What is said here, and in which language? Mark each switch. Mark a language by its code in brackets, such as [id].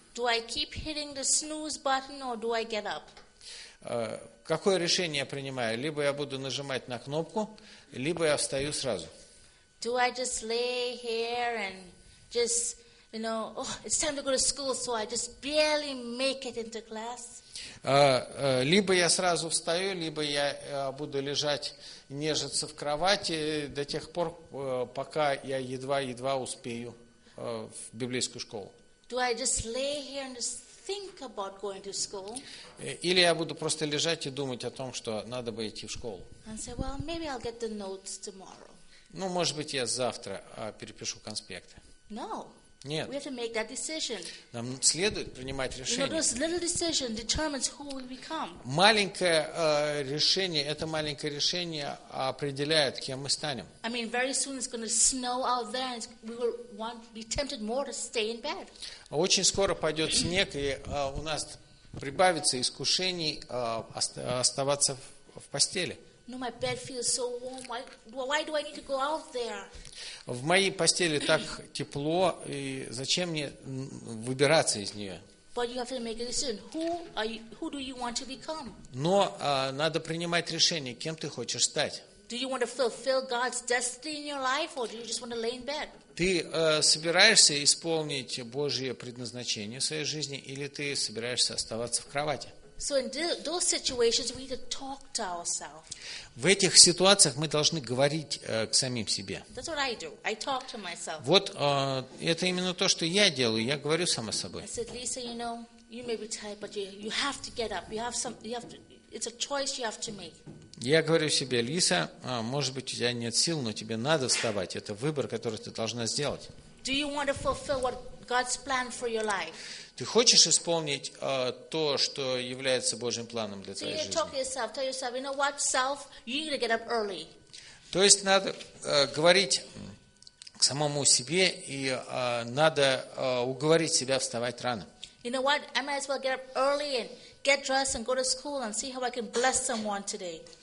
[en] Do I keep hitting the snooze button or do I get up? [ru] Какое решение я принимаю? Либо я буду нажимать на кнопку, либо я встаю сразу. [en] Do I just lay here and just, you know, oh, it's time to go to school, so I just barely make it into class? [ru] Либо я сразу встаю, либо я буду лежать, нежиться в кровати до тех пор, пока я едва-едва успею в библейскую школу. [en] Do I just lay here and just think about going to school? [ru] Или я буду просто лежать и думать о том, что надо бы идти в школу. [en] And say, well, maybe I'll get the notes tomorrow. [ru] Ну, может быть, я завтра перепишу конспекты. [en] No. [ru] Нет. [en] We have to make that decision. [ru] Нам следует принимать решение. [en] You know, this little decision determines who we become. [ru] Маленькое решение, это маленькое решение определяет, кем мы станем. [en] I mean, very soon it's going to snow out there, and we will want be tempted more to stay in bed. [ru] Очень скоро пойдет снег, и у нас прибавится искушений оставаться в постели. [en] No, my bed feels so warm. Why do I need to go out there? [ru] В моей постели так тепло, и зачем мне выбираться из нее? [en] But you have to make a decision. Who do you want to become? [ru] Но надо принимать решение, кем ты хочешь стать. [en] Do you want to fulfill God's destiny in your life, or do you just want to lay in bed? [ru] Ты собираешься исполнить Божье предназначение в своей жизни, или ты собираешься оставаться в кровати? [en] So in those situations, we need to talk to ourselves. [ru] В этих ситуациях мы должны говорить к самим себе. [en] That's what I do. I talk to myself. [ru] Вот это именно то, что я делаю. Я говорю сама собой. [en] I said, Lisa, you know, you may be tired, but you have to get up. It's a choice you have to make. [ru] Я говорю себе, Лиса, может быть, у тебя нет сил, но тебе надо вставать. Это выбор, который ты должна сделать. [en] Do you want to fulfill what God's plan for your life? [ru] Ты хочешь исполнить то, что является Божьим планом для твоей жизни? [en] Talk to yourself, tell yourself, you know what, self, you need to get up early. [ru] То есть надо говорить к самому себе и надо уговорить себя вставать рано. [en] You know what? I might as well get up early and get dressed and go to school and see how I can bless someone today.